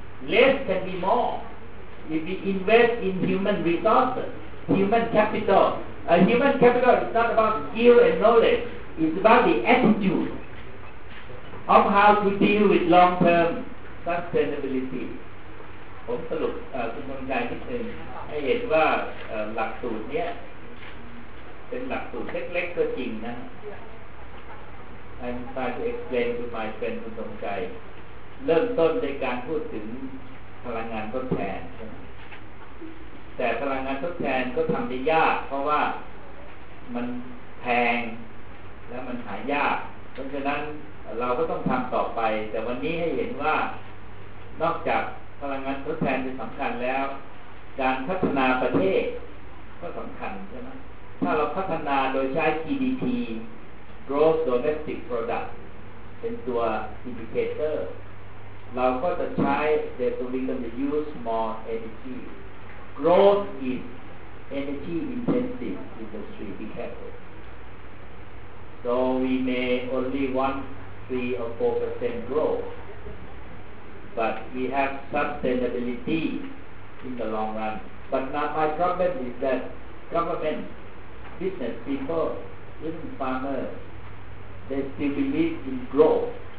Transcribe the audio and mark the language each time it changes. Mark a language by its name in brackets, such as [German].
[English] Less can be more. If we invest in human resources, human capital. A human capital is not about skill and knowledge. It's about the attitude of how to deal with long-term sustainability. [Thai] ผมสรุปคุณคนใจนิดนึงให้เห็นว่าหลักสูตรเนี้ยเป็นหลักสูตรเล็กๆก็จริงนะ [English] I'm trying to explain to my friend [Thai] คุณคนใจเริ่มต้นในการพูดถึงพลังงานทดแทน แต่พลังงานทดแทนก็ทำได้ยากเพราะว่ามันแพงและมันหายากเพราะฉะนั้นเราก็ต้องทำต่อไปแต่วันนี้ให้เห็นว่า นอกจากพลังงานทดแทนเป็นสำคัญแล้วการพัฒนาประเทศก็สำคัญใช่ไหมถ้าเราพัฒนาโดยใช้ GDP Gross Domestic Product เป็นตัว indicator เราก็จะใช้ [English] the tourism to use more energygrowth is energy intensive industry, be careful. So we may only want 3-4% growth, but we have sustainability in the long run. But now my problem is that government, business people, even farmers, they still believe in growth.